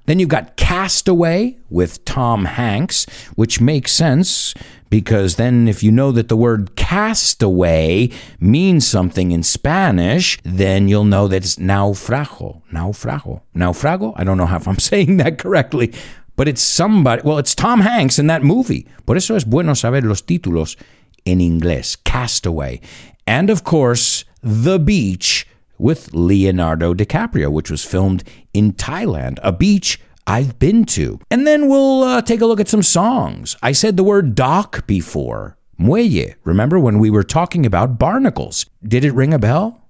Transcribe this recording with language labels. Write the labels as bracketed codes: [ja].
[en] Then you've got Castaway with Tom Hanks, which makes sense, because then if you know that the word castaway means something in Spanish, then you'll know that it's naufrago. Naufrago. Naufrago? I don't know if I'm saying that correctly. But it's somebody, well, it's Tom Hanks in that movie. [es] Por eso es bueno saber los títulos en inglés, Castaway. [en] And of course, The Beach with Leonardo DiCaprio, which was filmed in Thailand, a beach I've been to. And then we'll take a look at some songs. I said the word dock before, muelle. Remember when we were talking about barnacles? Did it ring a bell?